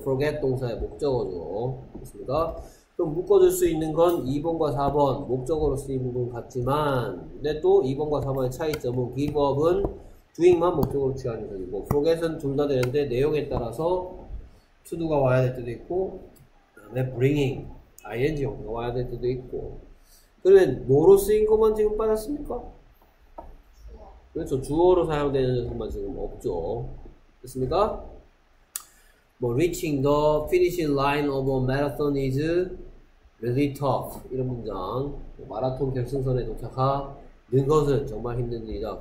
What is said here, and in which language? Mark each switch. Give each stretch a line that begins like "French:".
Korean: Forget 동사의 목적어죠. 그렇습니까? 그럼 묶어줄 수 있는 건 2번과 4번 목적어로 쓰인 부분 같지만 근데 또 2번과 4번의 차이점은 give up은 doing만 목적으로 취하는 것이고, forget은 둘다 되는데, 내용에 따라서, to do가 와야 될 때도 있고, 그다음에 bringing, ing 형태가 와야 될 때도 있고. 그러면, 뭐로 쓰인 것만 지금 빠졌습니까? 그렇죠. 주어로 사용되는 것만 지금 없죠. 됐습니까?
English: 뭐, reaching the finishing line of a marathon is really tough.
Korean: 이런 문장. 마라톤 결승선에 도착하. 는 것은 정말 힘든 일이다.